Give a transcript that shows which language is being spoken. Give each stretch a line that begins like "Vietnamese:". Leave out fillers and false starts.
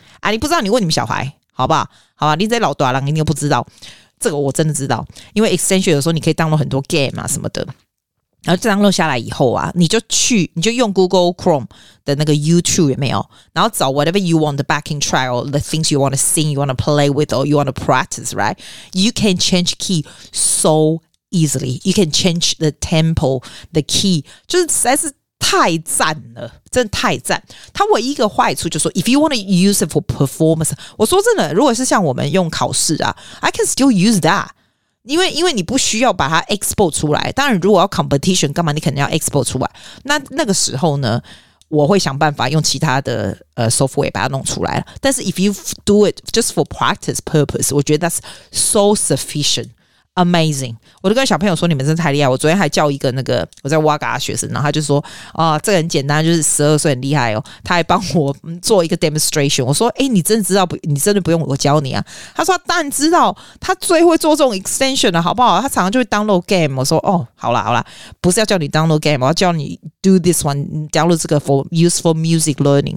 Chinese: 啊，你不知道你问你们小孩好不好，好吧，你在老大人你又不知道，这个我真的知道，因为 extension 有时候你可以 download 很多 game 啊什么的，然后 download 下来以后啊，你就去，你就用 Google Chrome 的那个 YouTube 有没有，然后找
English: whatever you want the backing track or the things you want to sing, you want to play with, or you want to practice, right? You can change key so easily. You can change the tempo, the key.
Chinese: 就是实在是太赞了，真的太赞。它唯一一个坏处就是说
English: if you want to use it for performance,
Chinese: 我说真的，如果是像我们用考试啊，
English: I can still use that.
Chinese: 因为你不需要把它 export 出来，当然如果要 competition 干嘛，你肯定要 export 出来。那那个时候呢，我会想办法用其他的software 把它弄出来。但是
English: if you do it just for practice purpose,
Chinese: 我觉得
English: that's so sufficient, amazing.
Chinese: 我都跟小朋友说，你们真的太厉害。我昨天还叫一个那个我在挖嘎的学生，然后他就说啊，这个很简单，就是十二岁很厉害哦。他还帮我做一个 demonstration。我说，哎，你真的知道不？你真的不用我教你啊？他说他当然知道，他最会做这种 extension 了，好不好？他常常就会 download game。我说哦，好啦好啦，不是要叫你 download game， 我要叫你 do this one，download 这个
English: for useful music learning。